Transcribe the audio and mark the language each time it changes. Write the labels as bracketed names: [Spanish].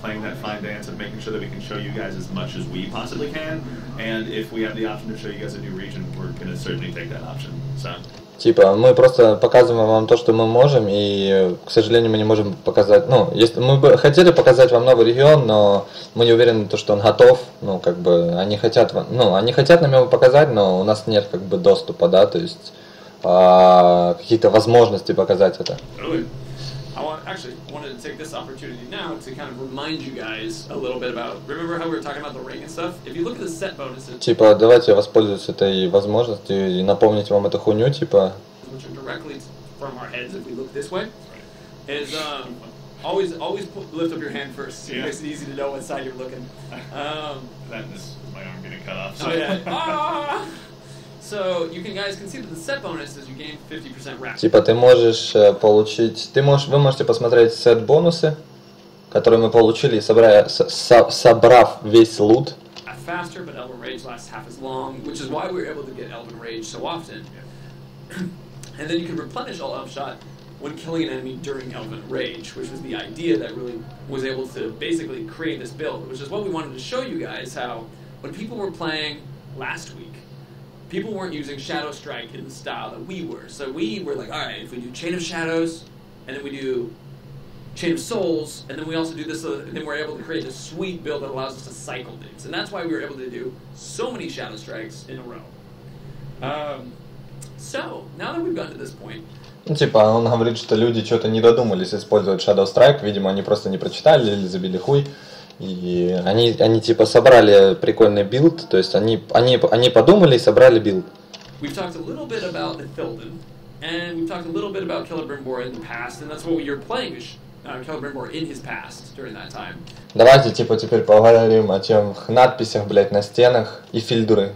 [English] playing that fine dance of making sure that we can show you guys as much as we possibly can. And if we have the option to show you guys a new region, we're going to certainly take that option. So. [Russian] Типа, мы просто показываем вам то, что мы можем, и, к сожалению, мы не можем показать... Ну, если, мы бы хотели показать вам новый регион, но мы не уверены, что он готов. Ну, как бы, они хотят вам... Ну, они хотят нам его показать, но у нас нет, как бы, доступа, да, то есть, какие-то возможности показать это. [English] I want, actually wanted to take this opportunity now to kind of remind you guys a little bit about. Remember how we were talking about the ring and stuff? If you look at the set bonuses. [Russian] Типа, давайте воспользуюсь этой возможностью и напомнить вам эту хуйню, типа. [English] Which are directly from our heads if we look this way. Is always lift up your hand first. Yeah. It makes it easy to know what side you're looking. That is my arm getting cut off. So. Oh yeah. So you can guys can see that the set bonus is you gain 50% rep. [Russian] Типа ты можешь получить, вы можете посмотреть сет бонусы, которые мы получили, собрав весь лут. [English] Faster, but Elven Rage lasts half as long, which is why we're able to get Elven Rage so often. Yeah. And then you can replenish all upshot when killing an enemy during Elven Rage, which was the idea that really was able to basically create this build, which is what we wanted to show you guys how when people were playing last week. People weren't using Shadow Strike in the style that we were. So we were like, all right, if we do Chain of Shadows, and then we do Chain of Souls, and then we also do this, and then we're able to create this sweet build that allows us to cycle things. And that's why we were able to do so many Shadow Strikes in a row. So, now that we've gotten to this point... [Russian] Ну, типа, он говорит, что люди что-то не додумались использовать Shadow Strike. Видимо, они просто не прочитали или забили хуй. И они типа собрали прикольный билд, то есть они подумали и собрали билд. [English] We've talked a little bit about the Thilden, and we've talked a little bit about Celebrimbor in the past, and that's what you're playing Celebrimbor in his past during that time. [Russian] Давайте типа теперь поговорим о тех надписях, блять, на стенах и фильдры.